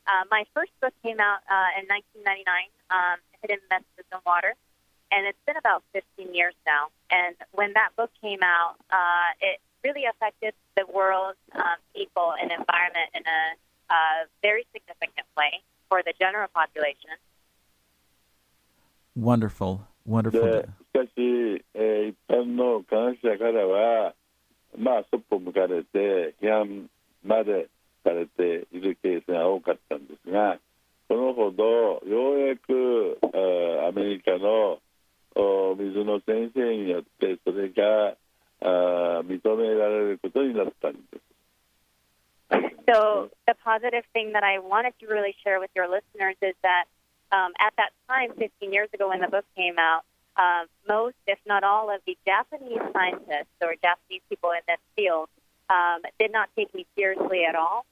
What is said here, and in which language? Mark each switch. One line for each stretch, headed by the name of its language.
English: My first book came out in 1999, Hidden Messages in Water, and it's been about 15 years now. And when that book came out, it really affected the world, people, and environment in a very significant way for the general population. Wonderful. Wonderful.
Japanese: しかし、一般の科学者からは、まあ、そっぽ向かれて、批判までされているケースが多かったんですが、このほど、ようやく、アメリカの水野先生によって、それが
English: So the positive thing that I wanted to really share with your listeners is that at that time, 15 years ago when the book came out, most, if not all, of the Japanese scientists or Japanese people in this field did not take me seriously at all.